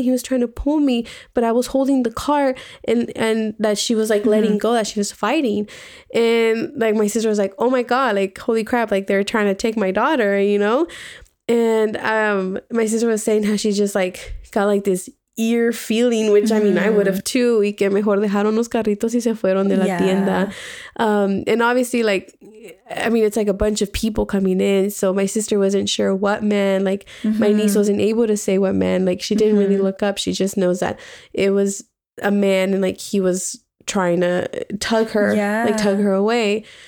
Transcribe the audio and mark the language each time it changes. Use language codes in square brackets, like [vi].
[en] He was trying to pull me, but I was holding the cart, and that she was like letting go, that she was fighting. And like my sister was like, oh my God, like, holy crap, like they're trying to take my daughter, you know? And my sister was saying how she just like got like this ear feeling, which I mean, I would have too. [es] Y que mejor dejaron los carritos y se fueron de la yeah. tienda. [en] And obviously, like, I mean, it's like a bunch of people coming in. So my sister wasn't sure what man, like, mm-hmm. my niece wasn't able to say what man. Like, she didn't mm-hmm. really look up. She just knows that it was a man, and like he was trying to tug her, yeah. like tug her away.